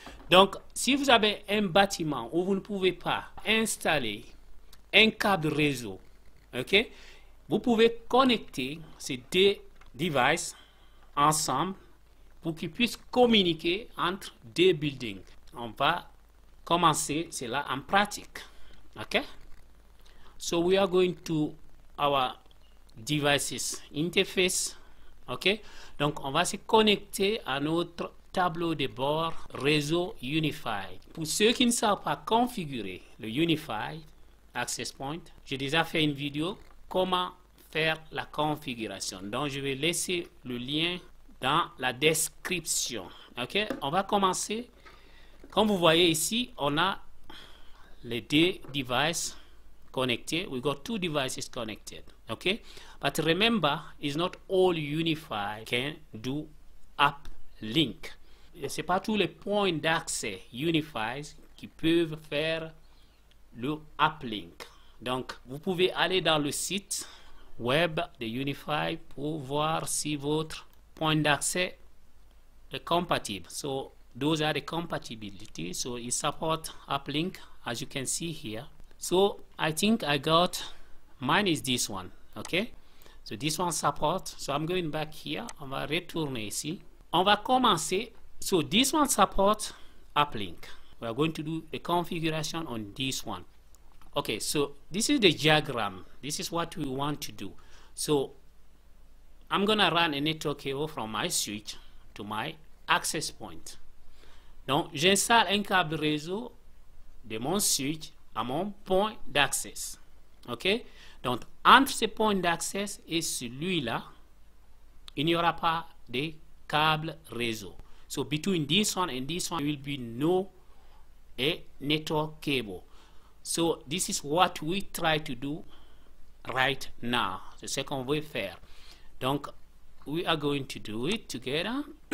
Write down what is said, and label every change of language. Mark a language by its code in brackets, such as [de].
[fr] Donc, si vous avez un bâtiment où vous ne pouvez pas installer un câble réseau, okay, vous pouvez connecter ces deux devices ensemble pour qu'ils puissent communiquer entre deux buildings. On va commencer cela en pratique. OK? [en] So we are going to our devices interface. OK? [fr] Donc, on va se connecter à notre tableau de bord réseau Unifi. Pour ceux qui ne savent pas configurer le Unifi Access Point, j'ai déjà fait une vidéo comment faire la configuration. Donc, je vais laisser le lien dans la description. OK, on va commencer. Comme vous voyez ici, on a les deux devices connectés. [en] We got two devices connected. OK, but remember, it's not all Unifi can do uplink. [fr] C'est pas tous les points d'accès Unifi qui peuvent faire le uplink. Donc, vous pouvez aller dans le site web de Unifi pour voir si votre point d'accès est compatible. [en] So those are the compatibility. So it support uplink, as you can see here. So I think I got mine is this one. Okay, so this one support. So I'm going back here. [fr] On va retourner ici. On va commencer. [en] So this one support uplink. We are going to do the configuration on this one. Okay, so this is the diagram. This is what we want to do. So I'm gonna run a network cable from my switch to my access point. [fr] Donc, j'installe un câble réseau de mon switch à mon point d'accès. OK? Donc, entre ce point d'accès et celui-là, il n'y aura pas de câble réseau. [en] So, between this one and this one, will be no a network cable. So, this is what we try to do right now. [fr] C'est ce qu'on veut faire. Donc, [en] we are going to do it together.